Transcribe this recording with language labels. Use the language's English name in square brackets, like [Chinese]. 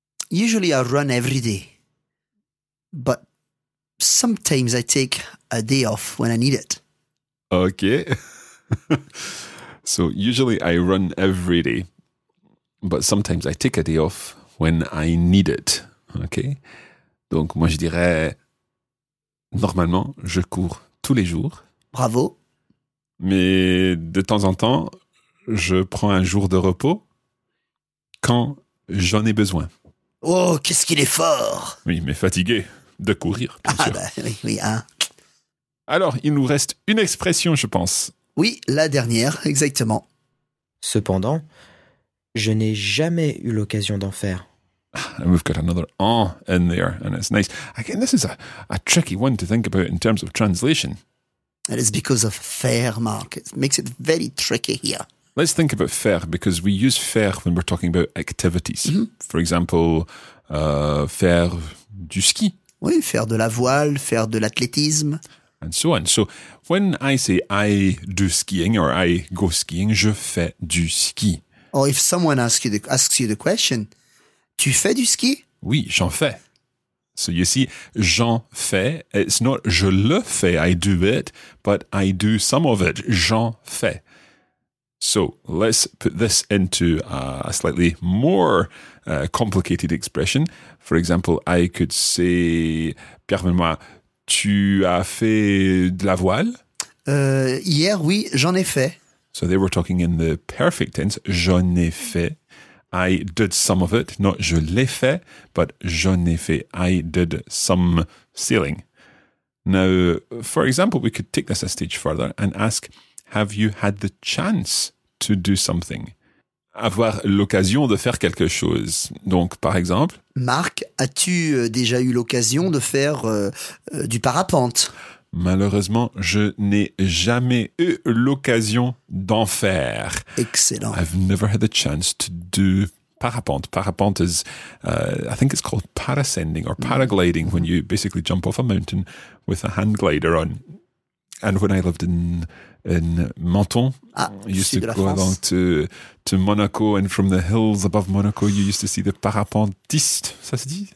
[English] Usually I run every day, but sometimes I take a day off when I need it. Okay. So, usually I run every day. But sometimes I take a day off when I need it. Okay? [French] Donc, moi, je dirais, normalement, je cours tous les jours. Bravo. Mais de temps en temps, je prends un jour de repos quand j'en ai besoin. Oh, qu'est-ce qu'il est fort! Oui, mais fatigué de courir, bien sûr. Ah, bah, oui, hein. Alors, il nous reste une expression, je pense. Oui, la dernière, exactement. Cependant, je n'ai jamais eu l'occasion d'en faire. [English] And we've got another en in there, and it's nice. Again, this is a tricky one to think about in terms of translation. And it's because of faire, Marc. It makes it very tricky here. Let's think about faire, because we use faire when we're talking about activities. Mm-hmm. For example, [French] faire du ski. Oui, faire de la voile, faire de l'athlétisme. [English] And so on. So when I say I do skiing or I go skiing, [French] je fais du ski. [English] Or if someone asks you the question, [French] tu fais du ski? Oui, j'en fais. [English] So you see, j'en fais, it's not [French] je le fais, [English] I do it, but I do some of it, [French] j'en fais. [English] So let's put this into a slightly more complicated expression. For example, I could say, Pierre Benoît, [French] tu as fait de la voile? Hier, oui, j'en ai fait. [English] So they were talking in the perfect tense, [French] j'en ai fait. [English] I did some of it, not [French] je l'ai fait, [English] but [French] j'en ai fait. [English] I did some sailing. Now, for example, we could take this a stage further and ask, have you had the chance to do something? [French] Avoir l'occasion de faire quelque chose. Donc, par exemple... Marc, as-tu déjà eu l'occasion de faire du parapente? Malheureusement, je n'ai jamais eu l'occasion d'en faire. [English] Excellent. I've never had the chance to do parapente. Parapente is, I think it's called parascending or paragliding, when you basically jump off a mountain with a hand glider on. And when I lived in Menton, I used to go France. Along to Monaco, and from the hills above Monaco, you used to see the parapentiste. [French] Ça se dit?